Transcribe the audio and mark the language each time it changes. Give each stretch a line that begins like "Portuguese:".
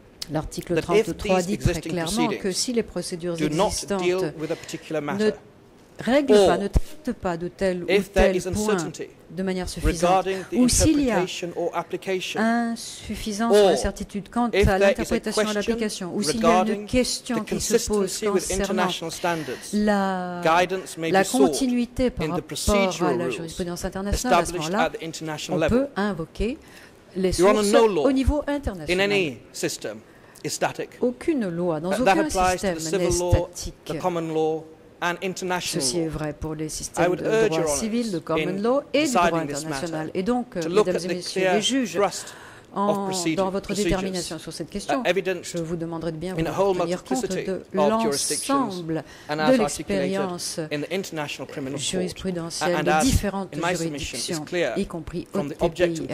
French: L'article 33 dit très clairement que si les procédures existantes ne règlent pas, ne traitent pas de tel ou tel point de manière suffisante, ou s'il y a insuffisance ou incertitude quant à l'interprétation et l'application, ou s'il y a une question qui se pose concernant la continuité par rapport à la jurisprudence internationale, à ce moment-là, on peut invoquer les sources au niveau international.
English: Is static.
French: Aucune loi dans aucun système n'est statique.
English: That applies to the civil law, the common law, and international
French: law. Ceci est vrai pour les systèmes de droit civil, de common law et du droit international. Et donc, mesdames et messieurs les juges, dans votre détermination sur cette question, je vous demanderai de bien vous tenir compte de l'ensemble de l'expérience jurisprudentielle des différentes juridictions, y compris au TPI.